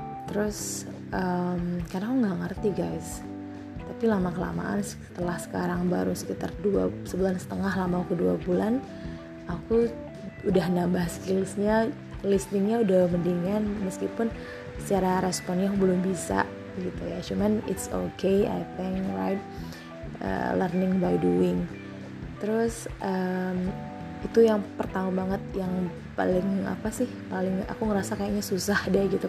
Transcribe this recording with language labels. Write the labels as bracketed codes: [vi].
[id] Terus karena aku gak ngerti guys, tapi lama-kelamaan setelah sekarang baru sekitar 2 sebulan setengah, lama aku 2 bulan, aku udah nambah skillsnya, listeningnya udah mendingan, meskipun secara responnya aku belum bisa gitu ya. Cuman [en] it's okay, I think, right? Learning by doing. [id] Terus itu yang pertama banget, yang paling apa sih, paling aku ngerasa kayaknya susah deh gitu.